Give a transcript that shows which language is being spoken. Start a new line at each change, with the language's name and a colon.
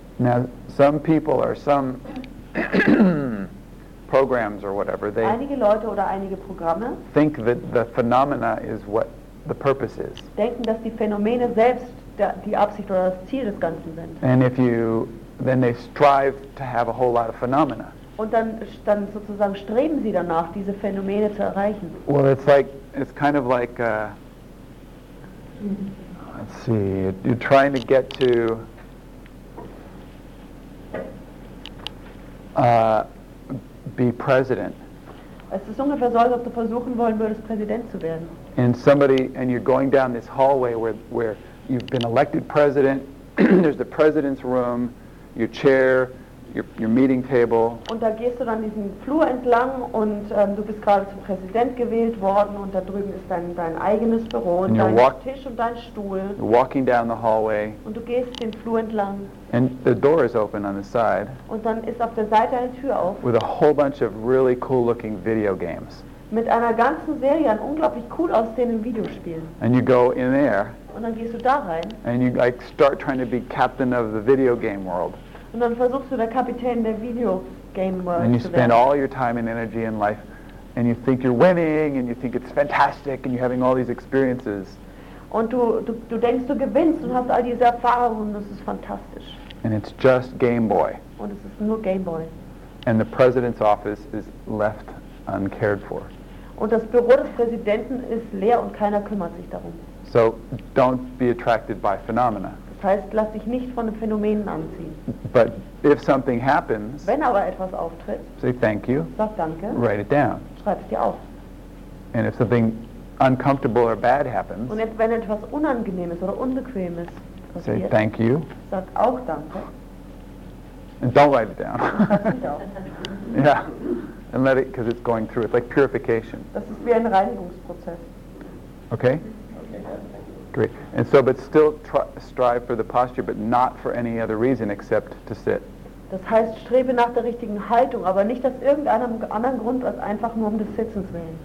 English: Now, some people or some programs or whatever, they
German: einige Leute oder einige Programme
English: think that the phenomena is what the purpose is.
German: Denken, dass die Phänomene selbst die Absicht oder das Ziel des Ganzen sind.
English: And if you, then they strive to have a whole lot of phenomena.
German: Und dann sozusagen streben sie danach, diese Phänomene zu erreichen.
English: Well, it's like, it's kind of like, let's see, you're trying to get to be president.
German: Es ist ungefähr so, als ob du versuchen wollen würdest, Präsident zu werden.
English: And you're going down this hallway where you've been elected president, there's the president's room, your chair, your meeting table.
German: Und da gehst du dann diesen Flur entlang und du bist gerade zum Präsident gewählt worden und da drüben ist dein eigenes Büro und dein Tisch und dein Stuhl.
English: You're walking down the hallway.
German: Und du gehst den Flur entlang.
English: And the door is open on the side.
German: Und dann ist auf der Seite eine Tür auf.
English: With a whole bunch of really cool looking video games.
German: Mit einer ganzen Serie an unglaublich cool aussehenden Videospielen.
English: And you go in there.
German: Und dann gehst du da rein.
English: And you like start trying to be captain of the video game world.
German: Und dann versuchst du der Kapitän der Videogame World zu werden.
English: And you spend all your time and energy in life, and you think you're winning, and you think it's fantastic, and you're having all these experiences.
German: Und du denkst, du gewinnst und hast all diese Erfahrungen, und das ist fantastisch.
English: And it's just Game Boy.
German: Und es ist nur Game Boy.
English: And the president's office is left uncared for.
German: Und das Büro des Präsidenten ist leer und keiner kümmert sich darum.
English: So don't be attracted by phenomena.
German: Das heißt, lass dich nicht von den Phänomenen anziehen.
English: But if something happens,
German: wenn aber etwas auftritt,
English: say thank you,
German: sag Danke,
English: write it down.
German: Schreib es dir auf.
English: And if something uncomfortable or bad happens,
German: und wenn etwas Unangenehmes oder Unbequemes passiert,
English: say thank you,
German: sag auch Danke.
English: And don't write it down.
German: Schreib es dir auf.
English: And let it, because it's going through. It's like purification.
German: Das ist wie ein Reinigungsprozess.
English: Okay? Great. And so, but still strive for the posture, but not for any other reason except to sit.
German: Das heißt, strebe nach der richtigen Haltung, aber nicht aus irgendeinem anderen Grund als einfach nur um des Sitzens willen.